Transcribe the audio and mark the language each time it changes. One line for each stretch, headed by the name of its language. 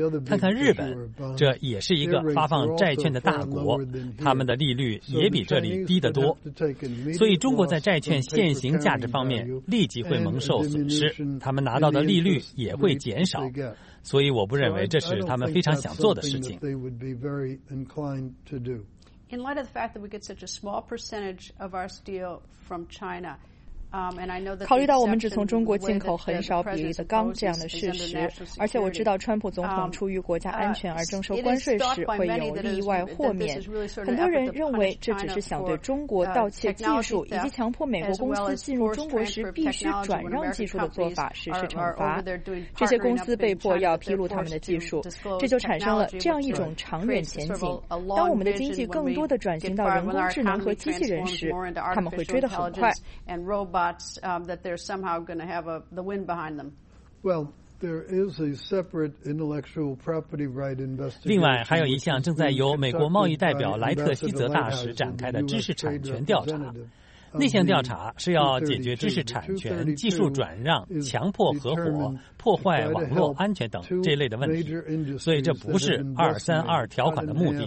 Chinese: 看看日本，这也是一个发放债券的大国，他们的利率也比这里低得多，所以中国在债券现行价值方面立即会蒙受损失，他们拿到的利率也会减少，所以我不认为这是他们非常想做的事情。
English: In light of the fact that we get such a small percentage of our steel from China,
Chinese: 考虑到我们只从中国进口很少比例的钢这样的事实，而且我知道川普总统出于国家安全而征收关税时会有例外豁免，很多人认为这只是想对中国盗窃技术以及强迫美国公司进入中国时必须转让技术的做法实施惩罚，这些公司被迫要披露他们的技术，这就产生了这样一种长远前景，当我们的经济更多的转型到人工智能和机器人时，他们会追得很快。
English: That they're somehow going to have the wind behind them. Well, there is a separate intellectual property right investigation.
Chinese: 另外，还有一项正在由美国贸易代表莱特希泽大使展开的知识产权调查。那项调查是要解决知识产权、技术转让、强迫合伙、破坏网络安全等这类的问题，所以这不是232条款的目的。